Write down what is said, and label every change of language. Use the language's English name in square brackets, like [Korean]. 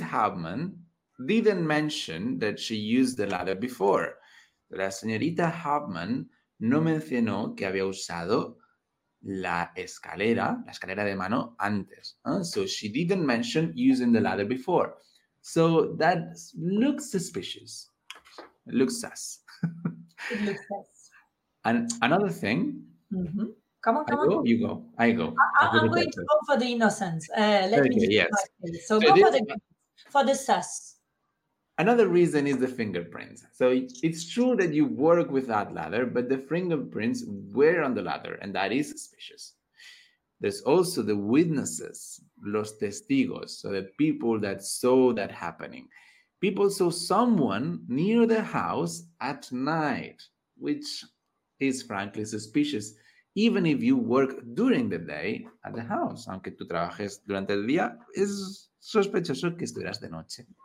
[English] Hoffman didn't mention that she used the ladder before. [Spanish] La señorita Hoffman no mencionó que había usado la escalera de mano antes. [English] So she didn't mention using the ladder before. So that looks suspicious. It looks sus. And another thing. Mm-hmm. Come on, come I go, on. You go. I go. I'm going to go for the innocence. Let me go for the sus. Another reason is the fingerprints. So it's true that you work with that ladder, but the fingerprints were on the ladder, and that is suspicious. There's also the witnesses, [Spanish] los testigos, [English] so the people that saw that happening. People saw someone near the house at night, which is frankly suspicious, even if you work during the day at the house. [Spanish] Aunque tú trabajes durante el día, es sospechoso que estuvieras de noche.